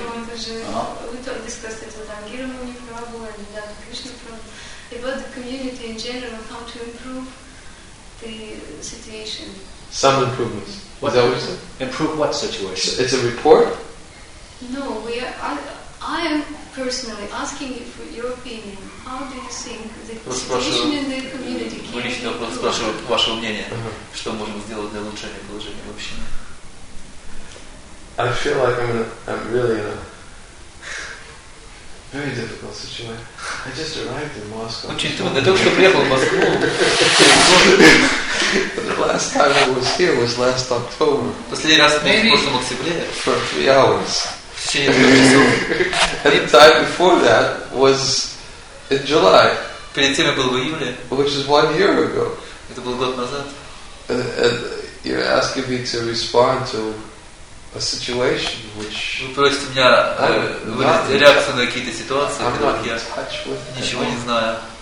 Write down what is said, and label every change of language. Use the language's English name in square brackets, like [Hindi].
[English] We discussed it with Angiramuni Prabhu and Dada Krishna Prabhu about the community in general, how to improve the situation. Some improvements. What is that what you said? Improve what situation? It's a report? No, I am personally asking you for your opinion. How do you think the situation in the community can improve? [Russian] Вы лично просто спрашиваете ваше мнение, что можем сделать для улучшения положения в общине. [English] I feel like I'm really in a very difficult situation. I just arrived in Moscow. [Russian] Очень трудно. Только что приехал в Москву. [English] The last time I was here was last October. [Russian] Последний раз был в прошлом октябре. [English] For 3 hours. And the time before that was in July. [Russian] Перед тем я был в июле. [English] Which is 1 year ago. [Russian] Это был год назад. [English] And you're asking me to respond to a situation which. [Russian] Вы просите меня выразить реакцию на какие-то ситуации, которых я ничего не знаю.